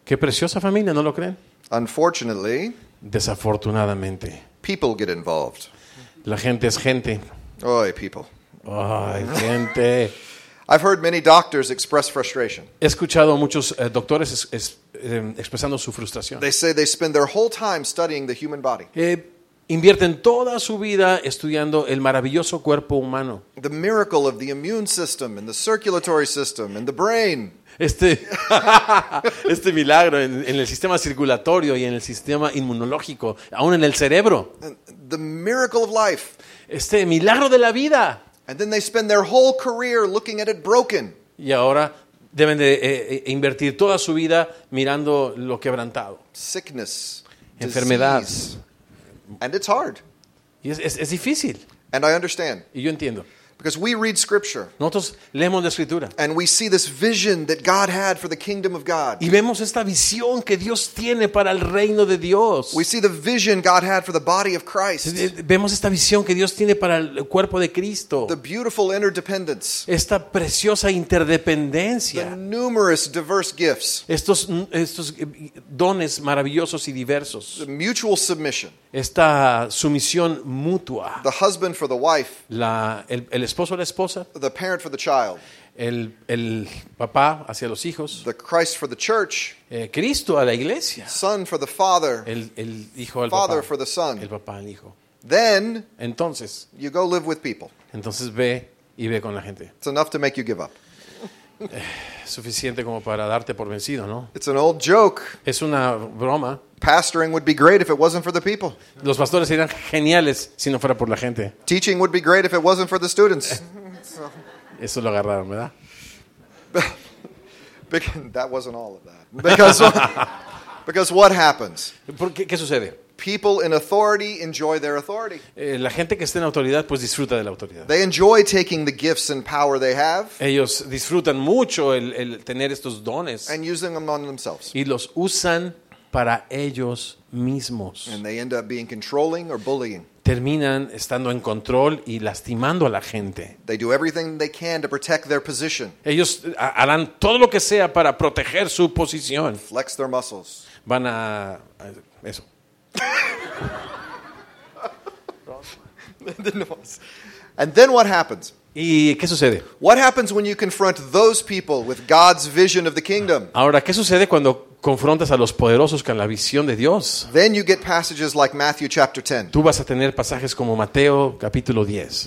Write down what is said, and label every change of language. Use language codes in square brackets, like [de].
[es] Qué preciosa familia, ¿no lo creen? [en] Unfortunately, [es] desafortunadamente, [en] people get involved. [es] La gente es gente. [en] Oy, people. [es] Ay, gente. [en] I've heard many doctors express frustration. [es] He escuchado a muchos doctores expresando su frustración. [en] They say they spend their whole time studying the human body. [es] invierten toda su vida estudiando el maravilloso cuerpo humano. [en] The miracle of the immune system and the circulatory system and the brain. [es] Este milagro en el sistema circulatorio y en el sistema inmunológico, aún en el cerebro. [en] The miracle of life. [es] Este milagro de la vida. [en] And then they spend their whole career looking at it broken. [es] Y ahora deben de invertir toda su vida mirando lo quebrantado. [en] Sickness. [es] Enfermedad. [en] And it's hard. [es] Y es difícil. [en] And I understand. [es] Y yo entiendo. [en] Because we read scripture. [es] Nosotros leemos la escritura. [en] And we see this vision that God had for the kingdom of God. [es] Y vemos esta visión que Dios tiene para el reino de Dios. [en] We see the vision God had for the body of Christ. [es] Vemos esta visión que Dios tiene para el cuerpo de Cristo. [en] The beautiful interdependence. [es] Esta preciosa interdependencia. [en] The numerous diverse gifts. [es] Estos dones maravillosos y diversos. [en] The mutual submission. [es] Esta sumisión mutua. [en] The husband for the wife. [es] El esposo o la esposa. [en] The parent for the child. [es] El papá hacia los hijos. [en] The Christ for the church. [es] Cristo a la iglesia. [en] Son for the father. [es] El hijo al [en] father [es] papá. [en] For the son. [es] El papá al hijo. [en] Then, [es] entonces, [en] you go live with people. [es] Entonces ve y ve con la gente. [en] It's enough to make you give up. [es] Suficiente como para darte por vencido, ¿no? [en] It's an old joke. [es] Es una broma. [en] Pastoring would be great if it wasn't for the people. [es] Los pastores serían geniales si no fuera por la gente. [en] Teaching would be great if it wasn't for the students. [es] Eso lo agarraron, ¿verdad? [en] That wasn't all of that. Because what happens? [es] ¿Qué sucede? [en] People in authority enjoy their authority. [es] La gente que está en autoridad pues disfruta de la autoridad. [en] They enjoy taking the gifts and power they have. [es] Ellos disfrutan mucho el tener estos dones. [en] And using them on themselves. [es] Y los usan para ellos mismos. [en] And they end up being controlling or bullying. [es] Terminan estando en control y lastimando a la gente. [en] They do everything they can to protect their position. [es] Ellos harán todo lo que sea para proteger su posición. [en] Flex their muscles. [es] Van a eso. [en] And then what happens? [es] ¿Y qué sucede? [en] What happens when you confront those people with God's vision of the kingdom? [es] Ahora, ¿qué sucede cuando confrontas a los poderosos con la visión de Dios? [en] Then you get passages like Matthew chapter 10. [es] Tú vas a tener pasajes como Mateo capítulo 10.